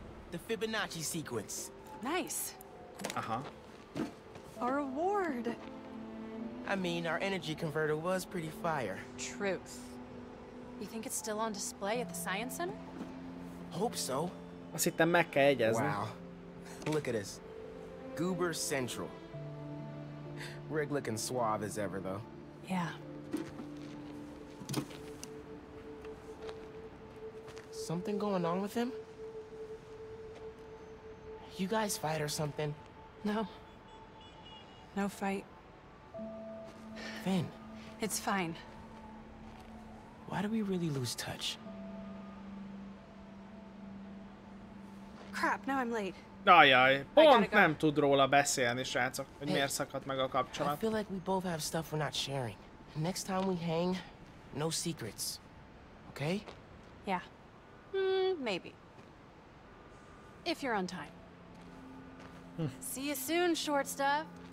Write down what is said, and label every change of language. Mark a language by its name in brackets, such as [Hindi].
[English] The Fibonacci sequence. Nice. Uh-huh. Our award. I mean, our energy converter was pretty fire. Truth. You think it's still on display at the Science Center? Hope so. [Hungarian] Azt hittem meg kell egyezni. [English] Wow. Look at this. Goober Central. Rig looking suave as ever, though. Yeah. Something going on with him? You guys fight or something? No. No fight. Finn. It's fine. Why do we really lose touch? Crap, now I'm late. [Hungarian] Ajaj, pont nem tud róla beszélni, srácok, hogy miért szakadt meg a kapcsolat. [English] I feel like we both have stuff we're not sharing. Next time we hang, no secrets. Okay? Yeah. Maybe. If you're on time. See you soon, short stuff.